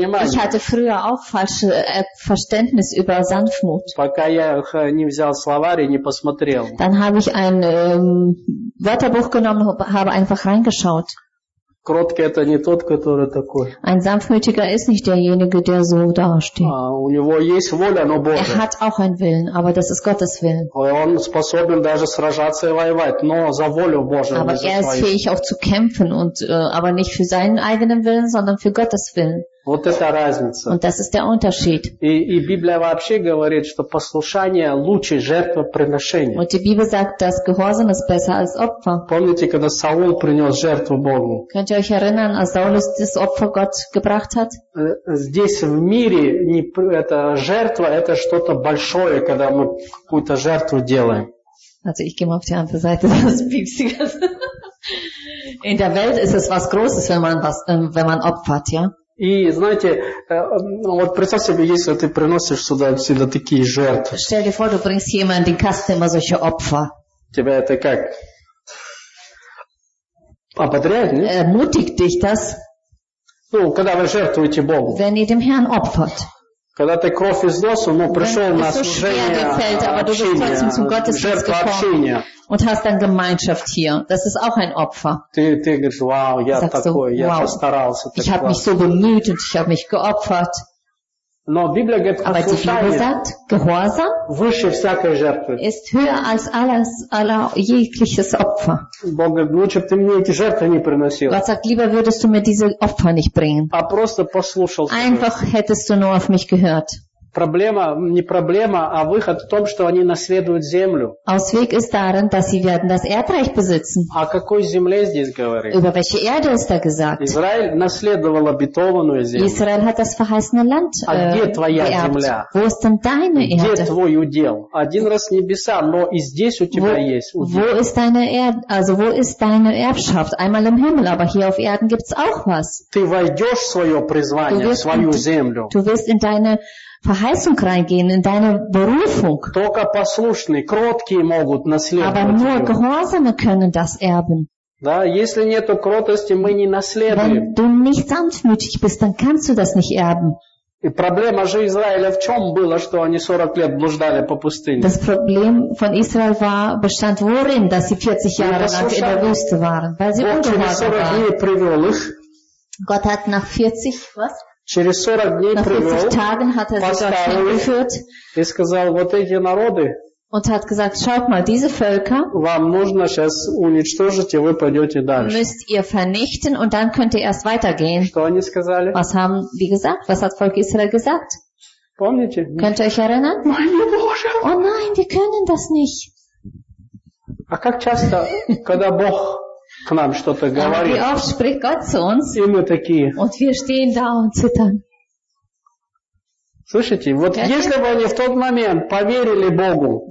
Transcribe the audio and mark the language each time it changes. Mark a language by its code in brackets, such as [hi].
[de] Ich hatte früher auch falsches Verständnis über Sanftmut. Dann habe ich ein Wörterbuch genommen und habe einfach reingeschaut. [ru] Кроткий — это не тот, который такой. [de] Ein sanftmütiger ist nicht derjenige, der so dasteht. [ru] У него есть воля, но Божья. [de] Er hat auch einen Willen, aber das ist Gottes Willen. [ru] Он способен даже сражаться и воевать, но за волю Божью. [de] Aber er ist fähig auch zu kämpfen und aber nicht für seinen eigenen Willen, sondern für Gottes Willen. [ru] Вот это разница. [de] Und das ist der Unterschied. [ru] И Библия вообще говорит, что послушание лучше жертвоприношения. [de] Und die Bibel sagt, dass Gehorsam ist besser als Opfer. [ru] Помните, когда Саул принес жертву Богу? [de] Könnt ihr euch erinnern, als Saulus das Opfer Gott gebracht hat? [ru] Здесь в мире не это жертва, это что-то большое, когда мы какую-то жертву делаем. [de] Also ich gehe mal auf die andere Seite, das ist in der Welt ist es was Großes, wenn man opfert, ja? [ru] И знаете, вот представь себе, если ты приносишь сюда всегда такие жертвы. [de] Stell dir vor, du bringst jemanden in den Kasten immer solche Opfer. [ru] Тебя это как? Ободряет, не? [de] Ermutigt dich das? [ru] Ну, когда вы жертвуете Богу. [de] Wenn ihr dem Herrn opfert. [ru] Когда ты кровь износил, но пришел [de] wenn [ru] на служение, [de] so fällt, [ru] общение, жертва общения. [de] Und hast dann Gemeinschaft hier. Das ist auch ein Opfer. [ru] Ты говоришь, вау, я [de] sagst [ru] такой, so, wow, я постарался. [de] Ich habe mich so bemüht und ich habe mich geopfert. [ru] Но Библия говорит, [de] aber die Bibel sagt, Gehorsam [ru] выше всякой жертвы. [de] Ist höher als alles, jegliches Opfer. [ru] Бог говорит, лучше бы ты мне эти жертвы не приносил. [de] Gott sagt, lieber würdest du mir diese Opfer nicht bringen. [ru] А просто послушал. [de] Einfach hättest du nur auf mich gehört. [ru] Проблема, не проблема, а выход в том, что они наследуют землю. [de] Ausweg ist darin, dass sie werden das Erdreich besitzen. [ru] О какой земле здесь говорит? [de] Über welche Erde ist da gesagt? [ru] Израиль наследовал обетованную землю. [de] Israel hat das verheißene Land. [ru] А где твоя земля? [de] Wo ist denn deine Erde? [ru] Где твой удел? Один раз небеса, но и здесь у тебя есть удел. [de] Wo ist deine Erde? Also wo ist deine Erbschaft? Einmal im Himmel, aber hier auf Erden gibt's auch was. [ru] Ты войдешь в свое призвание, в свою землю. [de] Du wirst in deine Verheißung reingehen, in deine Berufung. [ru] Только послушные, кроткие могут наследовать. [de] Aber nur Gehorsame können das erben. [ru] Да, если нету кротости, мы не наследуем. [de] Wenn du nicht sanftmütig bist, dann kannst du das nicht erben. [ru] И проблема же Израиля в чем была, что они 40 лет блуждали по пустыне? [de] Das Problem von Israel war, bestand worin, dass sie 40 Jahre lang in der Wüste waren, weil sie ungehorsam waren. Gott hat nach 40, was? [ru] Через 40 дней привел, поставил и сказал, вот эти народы, [de] und hat gesagt, schaut mal, diese Völker, [ru] вам нужно сейчас уничтожить, и вы пойдете дальше. [de] Müsst ihr vernichten, und dann könnt ihr erst weitergehen. [ru] Что они сказали? [de] Was haben die gesagt? Was hat Volk Israel gesagt? [ru] Помните? [de] Könnt ihr euch erinnern? Meine Bursche! Oh nein, wir können das nicht. [ru] А как часто, когда Бог к нам что-то говорит. [de] Wie oft spricht Gott zu uns? [ru] И мы такие. [de] Und wir stehen da und zittern. [ru] Слушайте, вот okay. Если бы они в тот момент поверили Богу,